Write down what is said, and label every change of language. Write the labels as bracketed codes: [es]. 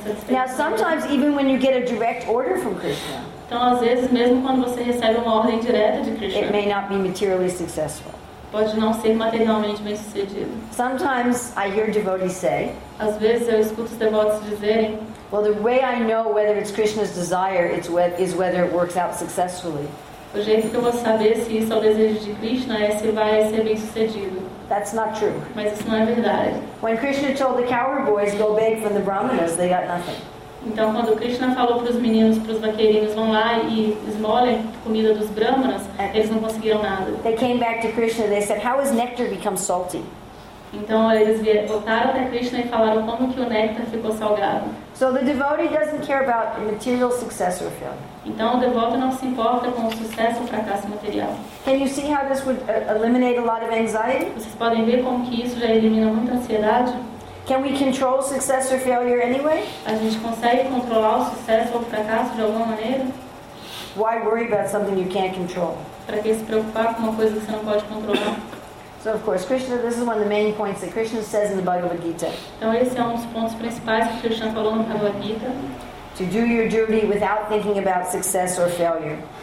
[en] Now sometimes even when you get a direct order from Krishna, it may not be materially successful. Sometimes I hear devotees say, well, the way I know whether it's Krishna's desire is whether it works out successfully. [pt] O jeito que eu vou saber se isso é o desejo de Krishna é se vai ser bem sucedido. [en] That's not true. [pt] Mas isso não é verdade. [en] When Krishna told the cowherd boys go beg from the brahmanas, they got nothing. [pt] Então quando Krishna falou para os meninos, para os vaqueirinhos, vão lá e esmolem comida dos brahmanas, eles não conseguiram nada. [en] They came back to Krishna. They said, how has nectar become salty? [pt] Então eles voltaram até Krishna e falaram como que o néctar ficou salgado. [en] So the devotee doesn't care about material success or failure. [pt] Então o devoto não se importa com o sucesso ou fracasso material. [en] Can you see how this would eliminate a lot of anxiety? [pt] Vocês podem ver como que isso já elimina muita ansiedade? [en] Can we control success or failure anyway? [pt] A gente consegue controlar o sucesso ou fracasso de alguma maneira? [en] Why worry about something you can't control? [pt] Para que se preocupar com uma coisa que você não pode controlar? [en] So of course, Krishna, this is one of the main points that Krishna says in the Bhagavad Gita. [pt] Então esse é um dos pontos principais que Krishna falou no Bhagavad Gita. [en] To do your duty without thinking about success or failure.